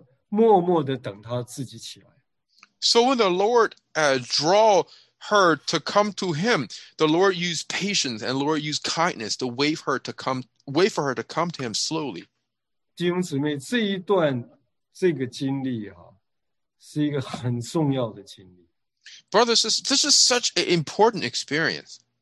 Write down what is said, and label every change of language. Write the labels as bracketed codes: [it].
[zh] 所以主在吸引她的时候，主又忍耐、柔和、默默地等她自己起来。 [en] So when the Lord draw her to come to him, the Lord used patience and Lord used kindness to wait for her to come to him slowly. [zh] 弟兄姊妹，这一段 这个经历啊，是一个很重要的经历。 [en] Brothers, this is such an important experience.